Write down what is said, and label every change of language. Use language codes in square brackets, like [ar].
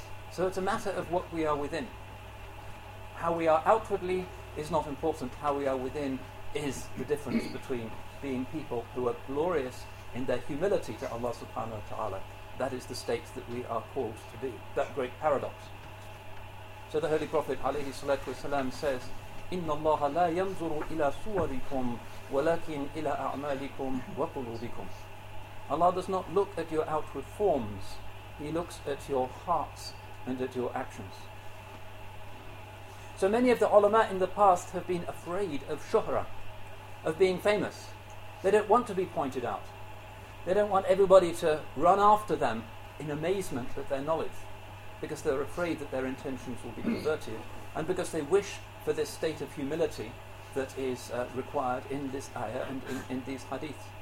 [en] So it's a matter of what we are within. How we are outwardly is not important. How we are within is the difference between being people who are glorious in their humility to Allah subhanahu wa ta'ala. That is the state that we are called to be. That great paradox. So the Holy Prophet alayhi salatu wasalam says, [ar] إِنَّ اللَّهَ لَا يَنْظُرُ إِلَىٰ صُوَرِكُمْ وَلَكِنْ إِلَىٰ أَعْمَالِكُمْ وَقُلُوبِكُمْ. [en] Allah does not look at your outward forms. He looks at your hearts and at your actions. So many of the ulama in the past have been afraid of shuhra, of being famous. They don't want to be pointed out. They don't want everybody to run after them in amazement at their knowledge, because they're afraid that their intentions will be perverted, and because they wish for this state of humility that is required in this ayah and in these hadiths.